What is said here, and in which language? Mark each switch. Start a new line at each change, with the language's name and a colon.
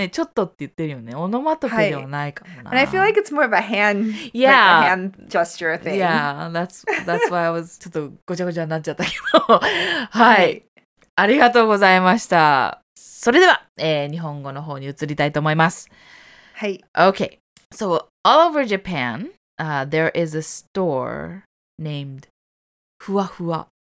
Japanese: ね、ちょっとって言ってるよね。オノマトペではないかもな。
English: And I feel like it's more of a hand, like a hand gesture thing. Yeah, that's why I was
Japanese: ちょっとごちゃごちゃになっちゃったけど。はい。ありがとうございました。それでは、日本語の方に移りたいと思います。はい。
English: Okay. So, all over Japan,there is a store named ふわふわ。